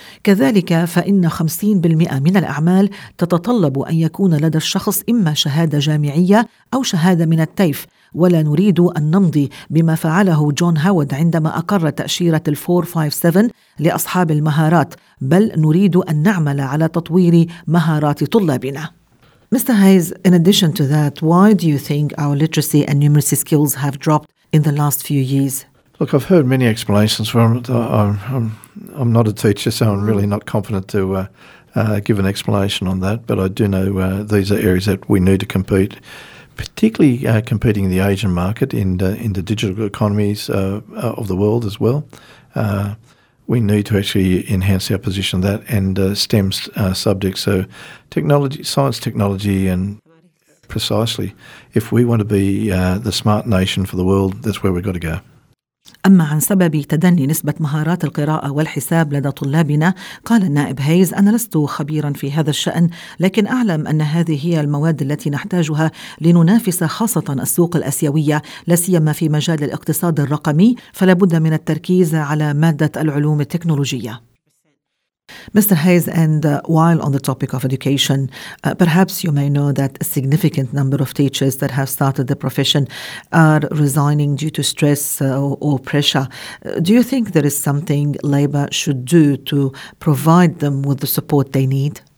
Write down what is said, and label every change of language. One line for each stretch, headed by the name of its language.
Arabic: كذلك فإن 50% من الأعمال تتطلب أن يكون لدى الشخص إما شهادة جامعية أو شهادة من التيف، ولا نريد أن نمضي بما فعله جون هاورد عندما أقر تأشيرة 457 لأصحاب المهارات، بل نريد أن نعمل على تطوير مهارات طلابنا.
English: Mr. Hayes, in addition to that, why do you think our literacy and numeracy skills have dropped in the last few years? Look, I've heard many explanations from it. I'm not a teacher, so I'm really not confident to give an explanation on that. But I do know these are areas that we need to compete, particularly competing in the Asian market, in the digital economies of the world as well. We need to actually enhance our position that and STEM subjects. So technology, science, technology and Precisely. If we want to be the smart nation for the world, that's where we've got to go.
Arabic: أما عن سبب تدني نسبة مهارات القراءة والحساب لدى طلابنا، قال النائب هايز: أنا لست خبيرا في هذا الشأن، لكن أعلم أن هذه هي المواد التي نحتاجها لننافس خاصة السوق الأسيوية، لاسيما في مجال الاقتصاد الرقمي، فلابد من التركيز على مادة العلوم التكنولوجية.
English: Mr. Hayes, and while on the topic of education, perhaps you may know that a significant number of teachers that have started the profession are resigning due to stress or pressure. Do you think there is something labor should do to provide them with the support they need?